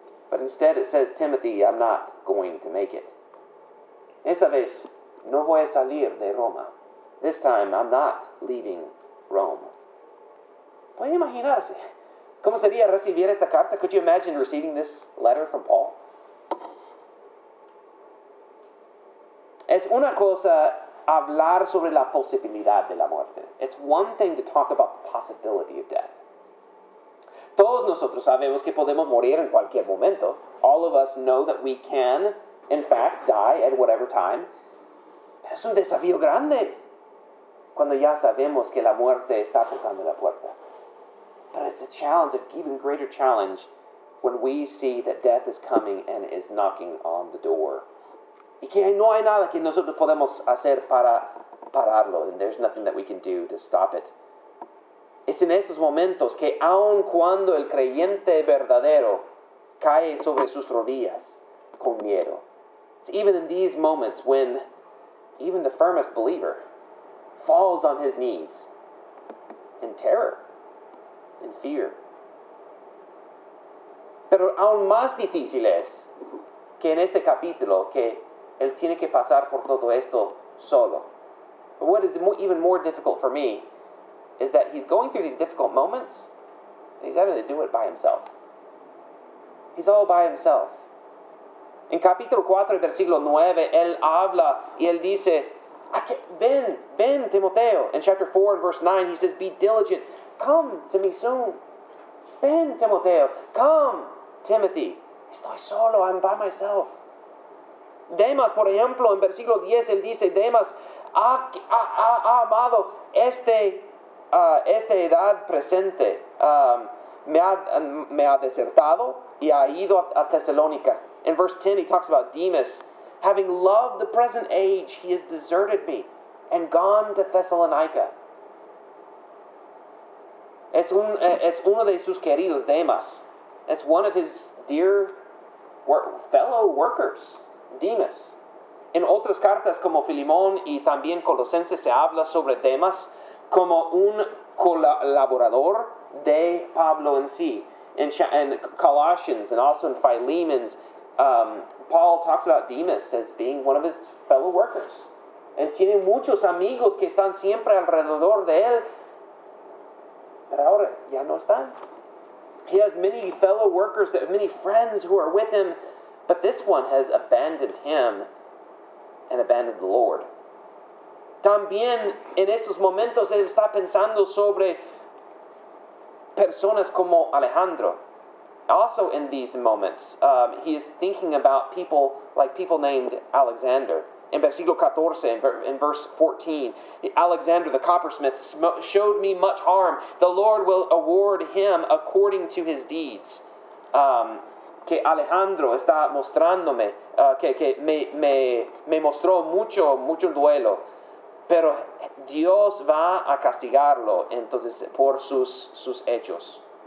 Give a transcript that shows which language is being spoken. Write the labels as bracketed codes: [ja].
[en] But instead it says, "Timothy, I'm not going to make it. [es] Esta vez, no voy a salir de Roma. [en] This time, I'm not leaving Rome." [es] ¿Pueden imaginarse cómo sería recibir esta carta? [en] Could you imagine receiving this letter from Paul? [es] Es una cosa hablar sobre la posibilidad de la muerte. [en] It's one thing to talk about the possibility of death. [es] Todos nosotros sabemos que podemos morir en cualquier momento. [en] All of us know that we can, in fact, die at whatever time. [es] Es un desafío grande cuando ya sabemos que la muerte está tocando la puerta. [en] But it's a challenge, an even greater challenge, when we see that death is coming and is knocking on the door. [es] y que no hay nada que nosotros podemos hacer para pararlo, [en] and there's nothing that we can do to stop it. [es] Es en estos momentos que aun cuando el creyente verdadero cae sobre sus rodillas con miedo. [en] It's even in these moments when even the firmest believer falls on his knees in terror, in fear. [es] Pero aún más difícil es que en este capítulo que él tiene que pasar por todo esto solo. [en] But what is even more difficult for me is that he's going through these difficult moments and he's having to do it by himself. He's all by himself. [es] En capítulo 4, versículo 9, él habla y él dice, ven, Timoteo. [en] In chapter 4, verse 9, he says, be diligent. Come to me soon. [es] Ven, Timoteo. [en] Come, Timothy. [es] Estoy solo, [en] I'm by myself. [es] Demas, por ejemplo, en versículo 10, él dice, Demas ha amado esta edad presente. Me ha desertado y ha ido a Tesalónica. [en] In verse 10, he talks about Demas. Having loved the present age, he has deserted me and gone to Thessalonica. [es] Es uno de sus queridos, Demas. [en] It's one of his dear fellow workers, Demas. [es] En otras cartas como Filimón y también Colosenses se habla sobre Demas como un colaborador de Pablo en sí. [en] In Colossians and also in Philemon's, Paul talks about Demas as being one of his fellow workers. [es] Él tiene muchos amigos que están siempre alrededor de él, pero ahora ya no están. [en] He has many fellow workers, many friends who are with him, but this one has abandoned him and abandoned the Lord. [es] También en esos momentos él está pensando sobre personas como Alejandro. [en] Also in these moments, he is thinking about people named Alexander. In versículo 14, in verse 14, Alexander the coppersmith showed me much harm. The Lord will award him according to his deeds. [es] Que Alejandro está mostrándome, que me mostró mucho duelo. Pero Dios va a castigarlo, entonces, por sus hechos.